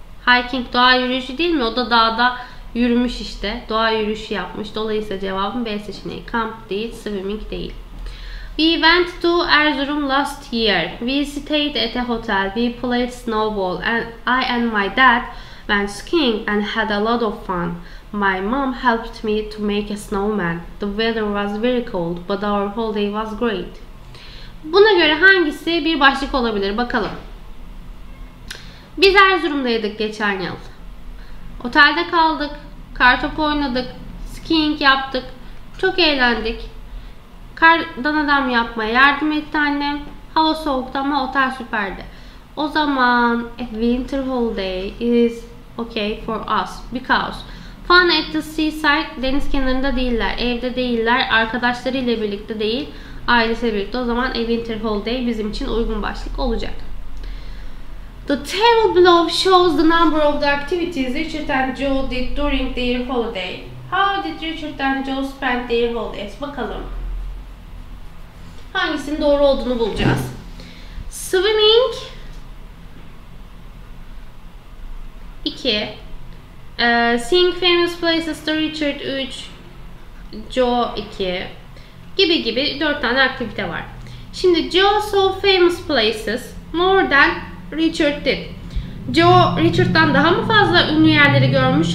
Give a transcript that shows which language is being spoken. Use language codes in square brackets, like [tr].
[tr] Hiking doğa yürüyüşü değil mi? O da dağda yürümüş işte. Doğa yürüyüşü yapmış. Dolayısıyla cevabım B seçeneği. Camp değil, swimming değil. [en] We went to Erzurum last year. We stayed at a hotel. We played snowball. And I and my dad went skiing and had a lot of fun. My mom helped me to make a snowman. The weather was very cold, but our holiday was great. [tr] Buna göre hangisi bir başlık olabilir bakalım. Biz Erzurum'daydık geçen yıl. Otelde kaldık, kartopu oynadık, skiing yaptık, çok eğlendik. Kardan adam yapmaya yardım etti annem. Hava soğuktu ama otel süperdi. O zaman [en] a winter holiday is okay for us because fun at the seaside, [tr] deniz kenarında değiller, evde değiller, arkadaşlarıyla birlikte değil, ailesiyle birlikte. O zaman [en] a winter holiday [tr] bizim için uygun başlık olacak. [en] The table below shows the number of the activities Richard and Joe did during their holiday. How did Richard and Joe spend their holidays? [tr] Bakalım. Hangisinin doğru olduğunu bulacağız. [en] Swimming 2. Seeing famous places to Richard 3. Joe 2. [tr] Gibi gibi 4 tane aktivite var. Şimdi [en] Joe saw famous places more than Richard did. [tr] Joe Richard'dan daha mı fazla ünlü yerleri görmüş?